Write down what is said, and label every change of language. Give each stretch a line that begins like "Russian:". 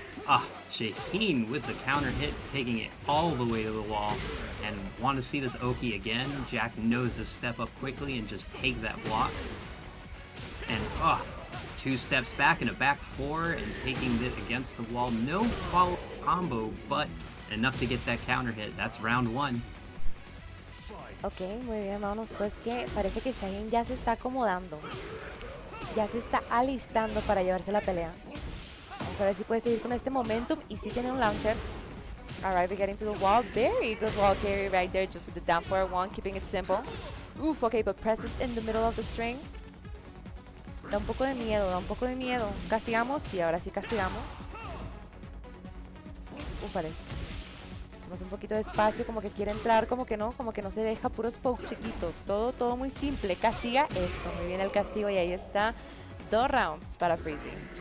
English: Ah, Shaheen with the counter hit, taking it all the way to the wall, and want to see this Oki again. Jack knows to step up quickly and just take that block. And two steps back and a back four, and taking it against the wall. No follow combo, but enough to get that counter hit. That's round one.
Spanish: Ok, muy bien, vámonos, pues que parece que Shaheen ya se está acomodando. Ya se está alistando para llevarse la pelea. Vamos a ver si puede seguir con este momentum y si tiene un launcher.
English: Alright, we're getting to the wall. Very good wall carry right there, just with the down forward one, keeping it simple. Uf, ok, but presses in the middle of the string.
Spanish: Da un poco de miedo, da un poco de miedo. Castigamos, sí, ahora sí castigamos. Uf, vale. Un poquito de espacio, como que quiere entrar, como que no se deja, puros pokes chiquitos, todo, todo muy simple, castiga eso, muy bien el castigo y ahí está, dos rounds para Freezy.